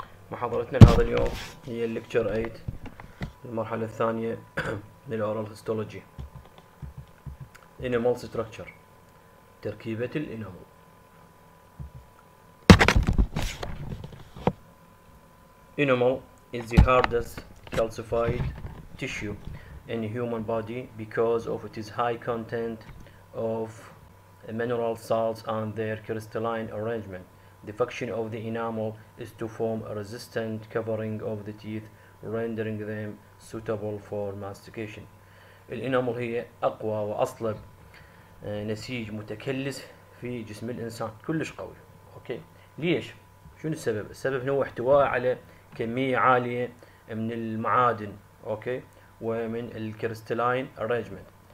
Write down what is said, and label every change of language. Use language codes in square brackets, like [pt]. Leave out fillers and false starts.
[ar] محاضرتنا لهذا اليوم هي الليكتشر 8 المرحلة الثانية من الأورال هيستولوجي انيمال ستراكشر تركيبة الانيمال. [en] Enamel is the hardest calcified tissue in the human body because of its high content of mineral salts and their crystalline arrangement. The function of the enamel is to form a resistant covering of the teeth, rendering them suitable for mastication. [ar] الانامل هي اقوى واصلب نسيج متكلس في جسم الانسان، كلش قوي. اوكي، ليش؟ شنو السبب؟ السبب هو احتوائه على كميه عاليه من المعادن، اوكي، ومن الكريستالين ارنجمنت.